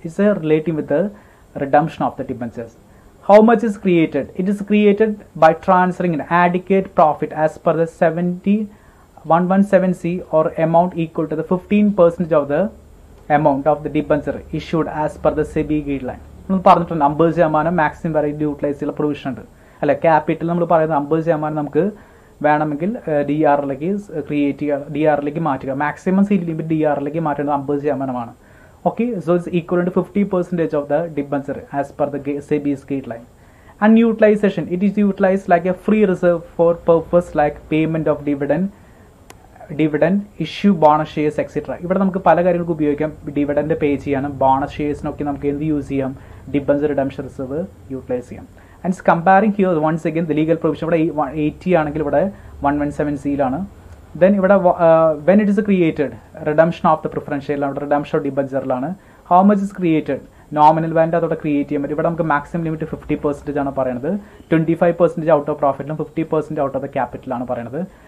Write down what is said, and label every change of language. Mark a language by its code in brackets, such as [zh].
[en] It's relating with the redemption of the debentures. How much is created? It is created by transferring an adequate profit as per the 117C or amount equal to the 15% of the amount of the debenture issued as per the SEBI guideline. [ml] നമ്മൾ പറഞ്ഞിട്ട് 50% maximum വരെ utilise ചെയ്യുന്ന provision ഉണ്ട് അല്ലെ. Capital നമ്മൾ പറയുന്നത് 50% നമുക്ക് വേണമെങ്കിൽ ഡി ആറിലേക്ക് ക്രിയേറ്റ് ചെയ്യുക, ഡി ആറിലേക്ക് മാറ്റുക. മാക്സിമം സീ ലിമിറ്റ് ഡി ആറിലേക്ക് മാറ്റേണ്ടത് [en] 50%. Okay, so it's equal to 50% of the debenture as per the SEBI's guideline. And utilization, it is utilized like a free reserve for purpose like payment of dividend issue bonus shares etcetera. [ml] ഇവിടെ നമുക്ക് പല കാര്യങ്ങൾക്ക് ഉപയോഗിക്കാം. Dividend പേ ചെയ്യാനും bonus ഷെയർസിനൊക്കെ നമുക്ക് എന്ത് use ചെയ്യാം? Debenture redemption reserve utilise ചെയ്യാം. [en] And it's comparing here once again the legal provision. [ml] ഇവിടെ 80 ആണെങ്കിൽ ഇവിടെ 117C. [en] Then ഇവിടെ when it is created redemption of the പ്രിഫറൻഷ്യലാണ്, redemption of ഡിബഞ്ചറിലാണ്. How much is created? [ml] Nominal value അതോടെ create ചെയ്യാൻ പറ്റും. ഇവിടെ നമുക്ക് മാക്സിമം ലിമിറ്റ് 50% ആണ് പറയുന്നത്, 25% out of പ്രോഫിറ്റിലും 50% out of the ക്യാപിറ്റലാണ് പറയുന്നത്.